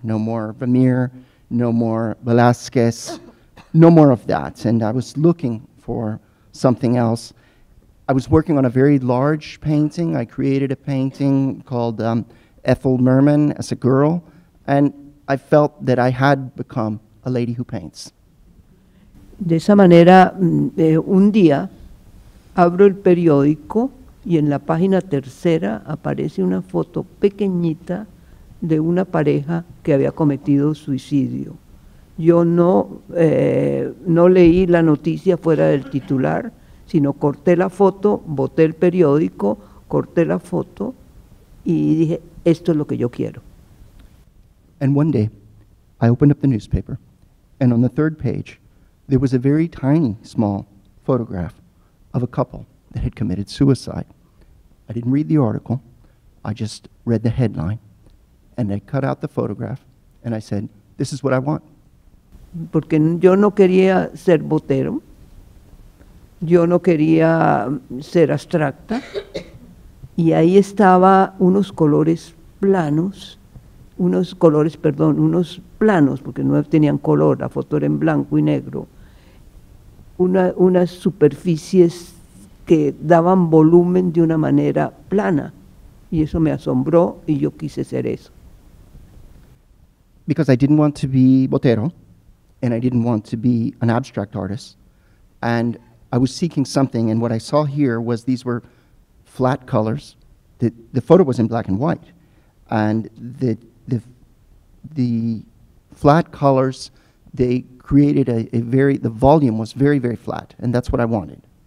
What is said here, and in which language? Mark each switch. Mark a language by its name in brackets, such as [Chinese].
[English] No more Vermeer, no more Velázquez, no more of that. And I was looking for something else. I was working on a very large painting. I created a painting called Ethel Merman as a girl. And I felt that I had become a lady who paints. [Spanish] De esa manera, un día abro el periódico y en la página tercera aparece una foto pequeñita de una pareja que había cometido suicidio. Yo no leí la noticia fuera del titular, sino corté la foto, boté el periódico, corté la foto y dije, esto es lo que yo quiero. [English] And one day, I opened up the newspaper and on the third page, there was a very tiny, small photograph of a couple that had committed suicide. I didn't read the article, I just read the headline, and I cut out the photograph, and I said, this is what I want. [Spanish] Porque yo no quería ser botero, yo no quería ser abstracta, y ahí estaba unos planos, porque no tenían color, la foto era en blanco y negro, unas superficies que daban volumen de una manera plana. Y eso me asombró y yo quise ser eso. [English] Because I didn't want to be Botero, and I didn't want to be an abstract artist, and I was seeking something, and what I saw here was these were flat colors. The photo was in black and white, and the flat colors, they created the volume was very, very flat, and that's what I wanted.